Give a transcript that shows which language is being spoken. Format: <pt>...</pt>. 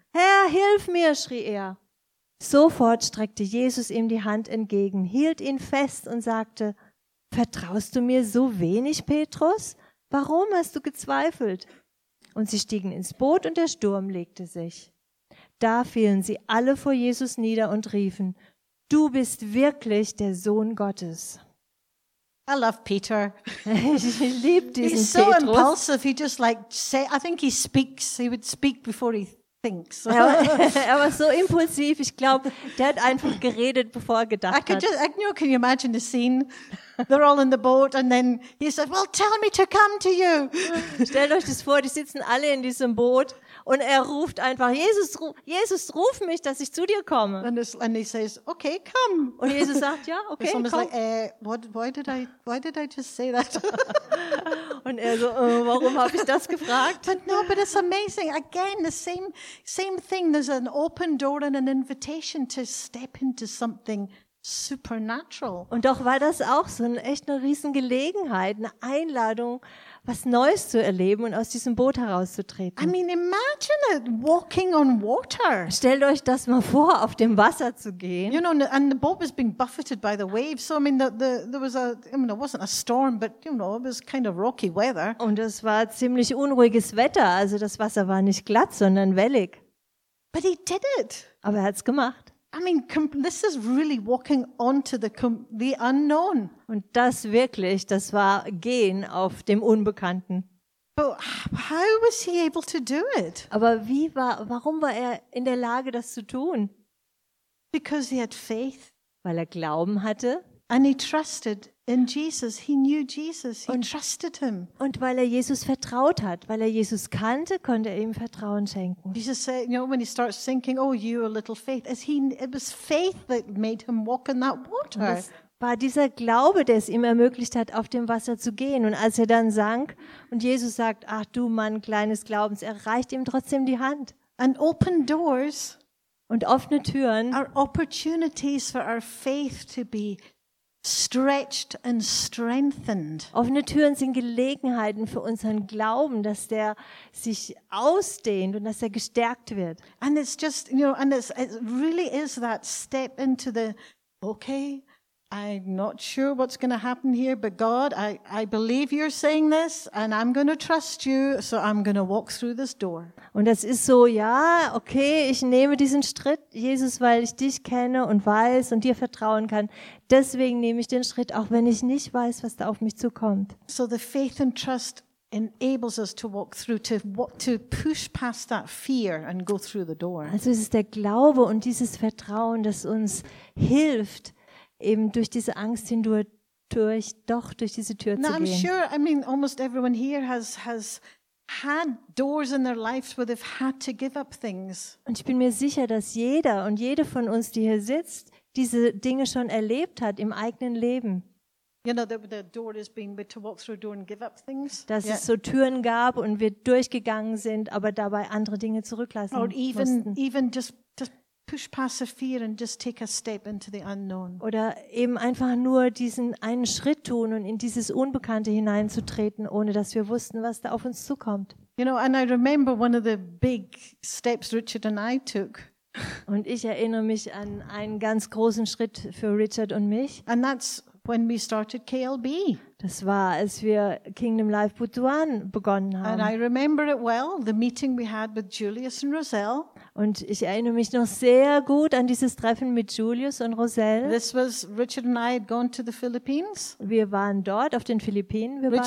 <de>"Herr, hilf mir", schrie er. Sofort streckte Jesus ihm die Hand entgegen, hielt ihn fest und sagte: "Vertraust du mir so wenig, Petrus? Warum hast du gezweifelt?" Und sie stiegen ins Boot und der Sturm legte sich. Da fielen sie alle vor Jesus nieder und riefen: "Du bist wirklich der Sohn Gottes."</de> <en>I love Peter.</en> <de>Ich liebe diesen Petrus.</de> <en>He's so</en> <de>Petrus.</de> <en>Impulsive. He just like say. I think he speaks. He would speak before he thinks.</en> <de>Er war so impulsiv. Ich glaube, der hat einfach geredet, bevor er gedacht hat.</de> <en>Can you imagine the scene? They're all in the boat, and then he said, "Well, tell me to come to you."</en> <de>Stellt euch das vor. Die sitzen alle in diesem Boot. Und er ruft einfach: Jesus, ruf mich, dass ich zu dir komme."</de> <en>And he says, "Okay, come."</en> <de>Und Jesus sagt: "Ja, okay, komm."</de> <en>Like, why did I just say that?</en> <de>Und er so: "Warum habe ich das gefragt?"</de> <en>But it's amazing. Again, the same thing. There's an open door and an invitation to step into something supernatural.</en> <de>Und doch war das auch so echt eine riesen Gelegenheit, eine Einladung, was Neues zu erleben und aus diesem Boot herauszutreten.</de> <en>I mean, imagine it, walking on water.</en> <de>Stellt euch das mal vor, auf dem Wasser zu gehen.</de> <en>You know, and the boat was being buffeted by the waves. So, I mean, it wasn't a storm, but, you know, it was kind of rocky weather.</en> <de>Und es war ziemlich unruhiges Wetter. Also das Wasser war nicht glatt, sondern wellig.</de> <en>But he did it.</en> <de>Aber er hat's gemacht.</de> <en>I mean, this is really walking onto the unknown.</en> <de>Und das wirklich, das war gehen auf dem Unbekannten.</de> <en>But how was he able to do it?</en> <de>Aber warum war er in der Lage, das zu tun?</de> <en>Because he had faith.</en> <de>Weil er Glauben hatte.</de> <en>And he trusted in Jesus. He knew Jesus. He trusted him.</en> <de>Und weil er Jesus vertraut hat, weil er Jesus kannte, konnte er ihm Vertrauen schenken.</de> <en>Jesus said, you know, when he starts sinking, "Oh, you a little faith." It was faith that made him walk in that water.</en> <de>Es war dieser Glaube, der es ihm ermöglicht hat, auf dem Wasser zu gehen. Und als er dann sank und Jesus sagt: "Ach du Mann kleines Glaubens", er reicht ihm trotzdem die Hand.</de> <en>And open doors</en> <de>und offene Türen</de> <en>are opportunities for our faith to be stretched and strengthened.</en> <de>Offene Türen sind Gelegenheiten für unseren Glauben, dass der sich ausdehnt und dass er gestärkt wird.</de> <en>And it's just, you know, and it really is that step into the okay. I'm not sure what's going to happen here, but God, I believe you're saying this, and I'm going to trust you, so I'm going to walk through this door.</en> <de>Und das ist so, ja, okay, ich nehme diesen Schritt, Jesus, weil ich dich kenne und weiß und dir vertrauen kann. Deswegen nehme ich den Schritt, auch wenn ich nicht weiß, was da auf mich zukommt.</de> <en>So the faith and trust enables us to walk through, to push past that fear and go through the door.</en> <de>Also es ist der Glaube und dieses Vertrauen, das uns hilft, eben durch diese Angst hindurch doch durch diese Tür zu gehen.</de> <en>I'm sure, I mean, almost everyone here has had doors in their lives where they've had to give up things.</en> <de>Und ich bin mir sicher, dass jeder und jede von uns, die hier sitzt, diese Dinge schon erlebt hat im eigenen Leben.</de> <en>You know, the door has been, but to walk through a door and give up things.</en> <de>Dass es so Türen gab und wir durchgegangen sind, aber dabei andere Dinge zurücklassen mussten.</de> <en>Even just push past the fear and just take a step into the unknown.</en> <de>Oder eben einfach nur diesen einen Schritt tun und in dieses Unbekannte hineinzutreten, ohne dass wir wussten, was da auf uns zukommt.</de> <en>You know, and I remember one of the big steps Richard and I took.</en> <de>Und ich erinnere mich an einen ganz großen Schritt für Richard und mich.</de> <en>And that's when we started KLB.</en> <de>Das war, als wir Kingdom Life Butuan begonnen haben.</de> <en>And I remember it well, the meeting we had with Julius and Roselle.</en> <de>Und ich erinnere mich noch sehr gut an dieses Treffen mit Julius und Roselle.</de> <en>This was Richard and I had gone to the Philippines.</en> <de>Wir waren dort auf den Philippinen.</de>